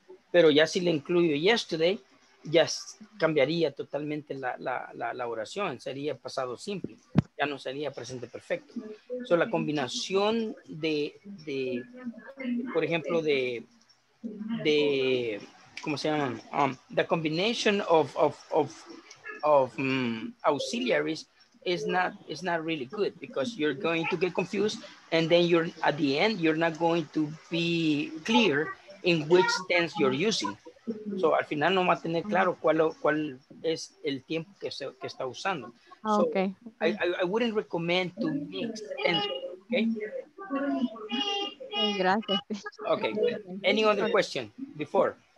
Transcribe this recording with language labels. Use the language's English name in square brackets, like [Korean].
[Spanish] Pero ya si le incluyo yesterday, ya cambiaría totalmente la oración. Sería pasado simple. Ya no sería presente perfecto. So, la combinación de por ejemplo, de ¿cómo se llama? [English] The combination of auxiliaries is not really good because you're going to get confused and then you're at the end you're not going to be clear in which tense you're using. [Spanish] So al final no va a tener claro cuál es el tiempo que está usando. [English] So, okay. I wouldn't recommend to mix tense. Okay. [Spanish] Gracias. [English] Okay. Any other question before?